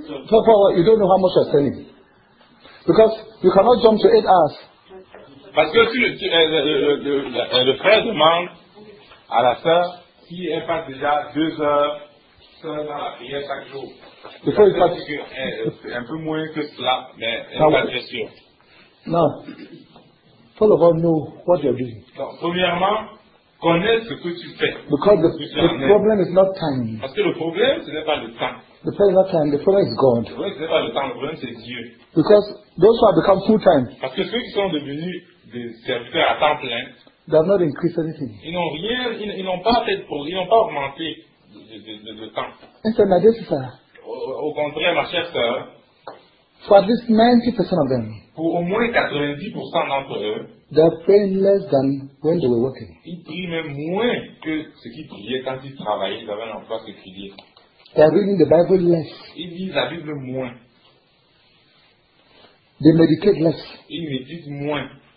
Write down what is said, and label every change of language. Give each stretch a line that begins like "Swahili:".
English: So far, you don't know how much you're spending. Because you cannot jump to 8 hours.
French: Parce que si le frère demande à la sœur si elle passe déjà 2 heures seule dans la prière chaque jour.
English: Before you start,
French: un peu moins que cela, mais elle n'est pas très sûre. Non. Tout le monde sait ce que tu fais. Premièrement, connais ce que tu fais.
English: Because the problem is not time.
French: Parce que le problème, ce n'est pas le temps.
English: The problem is not time, the problem is God.
French: Le problème, ce n'est pas le temps, le problème, c'est Dieu.
English: Because those who have become full time.
French: Parce que ceux qui sont devenus des serviteurs à temps plein.
English: They have not increased anything.
French: Ils n'ont rien, ils n'ont pas fait, ils n'ont pas augmenté de temps.
English: And so, my dear sister.
French: Au contraire, ma chère sœur.
English: For at least 90% of them.
French: Pour au moins 90% d'entre eux.
English: They are praying less than when they were working.
French: Ils prient même moins que ce qu'ils priaient quand ils travaillaient, ils avaient un emploi séculier.
English: They are reading the Bible less.
French: Ils lisent la Bible moins.
English: They meditate less.
French: Ils méditent moins.